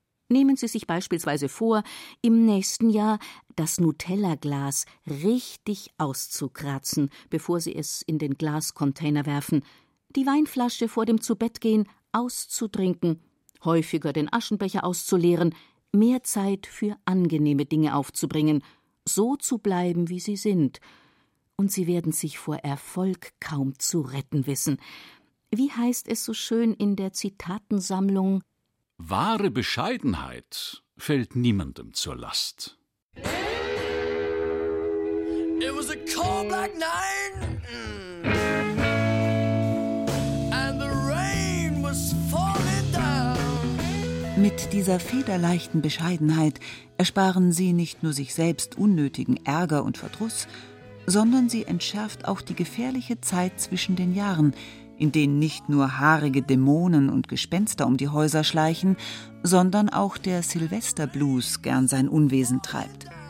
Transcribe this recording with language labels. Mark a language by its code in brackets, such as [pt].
[de] Nehmen Sie sich beispielsweise vor, im nächsten Jahr das Nutella-Glas richtig auszukratzen, bevor Sie es in den Glascontainer werfen, die Weinflasche vor dem Zu-Bett-Gehen auszutrinken, häufiger den Aschenbecher auszuleeren, mehr Zeit für angenehme Dinge aufzubringen, so zu bleiben, wie Sie sind. Und Sie werden sich vor Erfolg kaum zu retten wissen. Wie heißt es so schön in der Zitatensammlung? Wahre Bescheidenheit fällt niemandem zur Last. [en] It was a cold black night. And the rain was falling down. [de] Mit dieser federleichten Bescheidenheit ersparen Sie nicht nur sich selbst unnötigen Ärger und Verdruss, sondern sie entschärft auch die gefährliche Zeit zwischen den Jahren, in denen nicht nur haarige Dämonen und Gespenster um die Häuser schleichen, sondern auch der Silvesterblues gern sein Unwesen treibt.